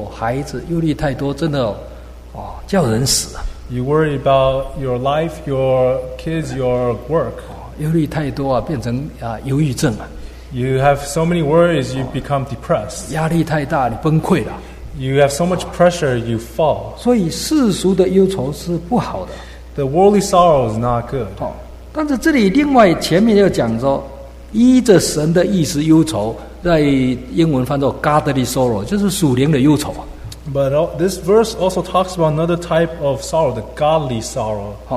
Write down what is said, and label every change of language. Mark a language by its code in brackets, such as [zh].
[zh] 你忧虑你的生活、工作、孩子，忧虑太多，真的，哦，叫人死。 [en] You worry about your life, your kids, your work. [zh] 忧虑太多啊，变成啊，忧郁症啊。 [en] You have so many worries, you become depressed. [zh] 压力太大，你崩溃了。 [en] You have so much pressure, you fall. [zh] 所以世俗的忧愁是不好的。 [en] The worldly sorrow is not good. [zh] 但是这里另外前面又讲说，依着神的意思忧愁。在英文翻作 [en] godly sorrow [zh] 就是属灵的忧愁 [en] But this verse also talks about another type of sorrow the godly sorrow